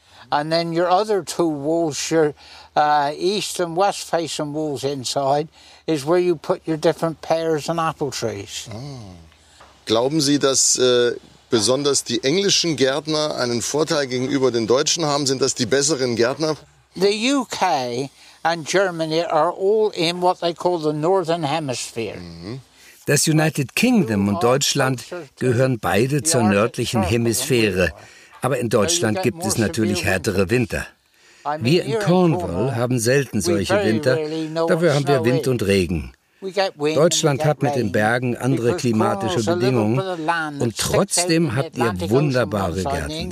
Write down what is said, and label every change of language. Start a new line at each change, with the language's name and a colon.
English: And then your other two walls, your east and west facing walls inside, is where you put your different pears and apple trees.
German: Glauben Sie, dass besonders die englischen Gärtner einen Vorteil gegenüber den Deutschen haben? Sind das die besseren Gärtner?
English: The UK and Germany are all in what they call the Northern Hemisphere.
German: Das United Kingdom und Deutschland gehören beide zur nördlichen Hemisphäre. Aber in Deutschland gibt es natürlich härtere Winter. Wir in Cornwall haben selten solche Winter, dafür haben wir Wind und Regen. Deutschland hat mit den Bergen andere klimatische Bedingungen und trotzdem habt ihr wunderbare Gärten.